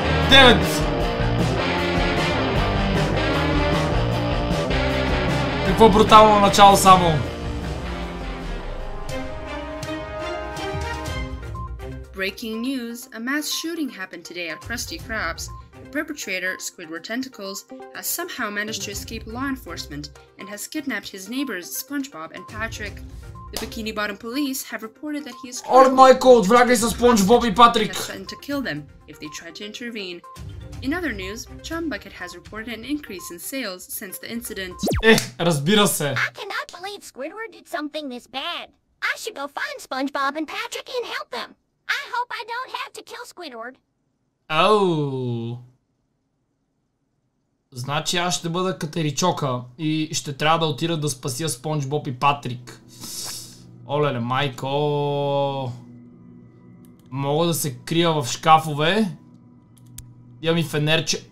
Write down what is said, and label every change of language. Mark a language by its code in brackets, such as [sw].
[bg] Девет! Какво брутално начало само. [en] Breaking news, a mass shooting happened today at Krusty Krabs. The perpetrator, Squidward Tentacles, has somehow managed to escape law enforcement and has kidnapped his neighbors, SpongeBob and Patrick. The Bikini Bottom police have reported that he is threatened to kill them if they try to intervene. In other news, Chum Bucket has reported an increase in sales since the incident. [bg] Eh, разбира се. [en] I cannot believe Squidward did something this bad. I should go find SpongeBob and Patrick and help them. I hope I don't have to kill Squidward. Оу. [bg] Значи аз ще бъда Катеричока и ще трябва да отида да спася SpongeBob и Патрик. Оле-ле, майко. Мога да се крия в шкафове. Имам и фенерче.